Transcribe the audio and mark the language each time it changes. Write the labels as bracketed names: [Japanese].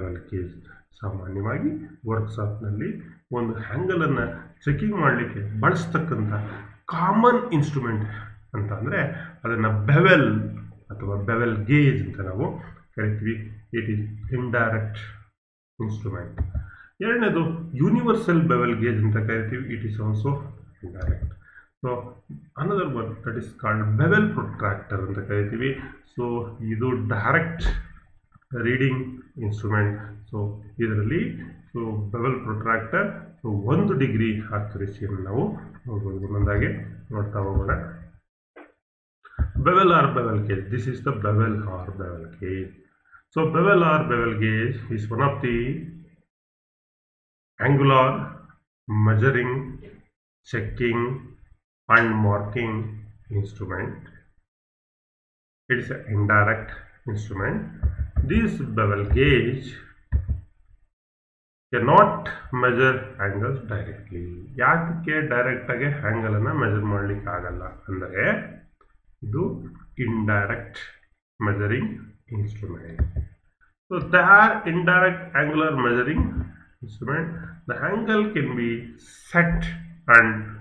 [Kannada] Case ಸಾಮಾನ್ಯವಾಗಿ ವರ್ಕ್ಶಾಪ್ನಲ್ಲಿ ಒಂದು ಹ್ಯಾಂಗಲನ್ನು checking ಮಾಡಲಿಕ್ಕೆ ಬಳಸ್ತಕ್ಕಂಥ ಕಾಮನ್ ಇನ್ಸ್ಟ್ರೂಮೆಂಟ್ ಅಂತ ಅಂದರೆ ಅದನ್ನು ಬೆವೆಲ್ ಅಥವಾ ಬೆವೆಲ್ ಗೇಜ್ ಅಂತ ನಾವು ಕರಿತೀವಿ [English] it is indirect instrument [Kannada] ಎರಡನೇದು ಯೂನಿವರ್ಸಲ್ ಬೆವೆಲ್ ಗೇಜ್ ಅಂತ ಕರಿತೀವಿ [English] it is also indirect so another word that is called bevel protractor [Kannada] ಅಂತ ಕರಿತೀವಿ ಸೊ ಇದು ಡೈರೆಕ್ಟ್ ರೀಡಿಂಗ್ ಇನ್ಸ್ಟ್ರೂಮೆಂಟ್ ಸೊ ಇದರಲ್ಲಿ ಸೊ ಬೆವೆಲ್ ಪ್ರೊಟ್ರಾಕ್ಟರ್ ಸೊ ಒಂದು ಡಿಗ್ರಿ ಆಕ್ಯುರೇಸಿಯನ್ನು ನಾವು ನೋಡ್ಬೋದು ಒಂದೊಂದಾಗಿ ನೋಡ್ತಾ ಹೋಗೋಣ [English] Bevel or bevel gauge. This is the bevel or bevel gauge. So bevel or bevel gauge is one of the angular measuring, checking and marking instrument. It is an indirect instrument. This bevel gauge cannot measure angles directly. [Kannada] ಯಾಕೆ direct ಆಗಿ angle ಅನ್ನು measure ಮಾಡಲಿಕ್ಕೆ ಆಗಲ್ಲ ಅಂದರೆ ಇದು indirect measuring instrument [English] so there indirect angular measuring instrument the angle can be set and